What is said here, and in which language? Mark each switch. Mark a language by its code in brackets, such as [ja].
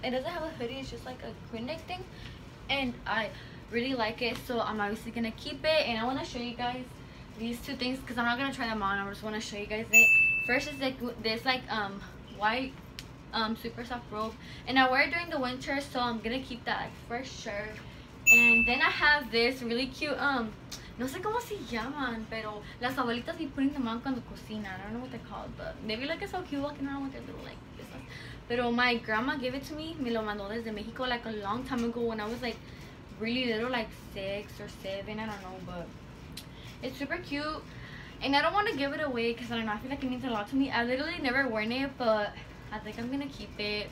[en] It doesn't have a hoodie, it's just like a crew neck thing, and I really like it, so I'm obviously gonna keep it. And I want to show you guys these two things because I'm not gonna try them on. I just want to show you guys it. First is like this like white super soft robe, and I wear it during the winter, so I'm gonna keep that like for sure. And then I have this really cute [es] no sé cómo se llaman, pero las abuelitas [en] be putting them on [es] cuando cocina. [en] I don't know what they're called, but maybe like it's so cute walking around with their little like business. Pero my grandma gave it to me. [es] Me lo mandó desde Mexico [en] like a long time ago when I was like really little, like 6 or 7. I don't know, but it's super cute. And I don't want to give it away because I don't know. I feel like it means a lot to me. I literally never worn it, but I think I'm going to keep it.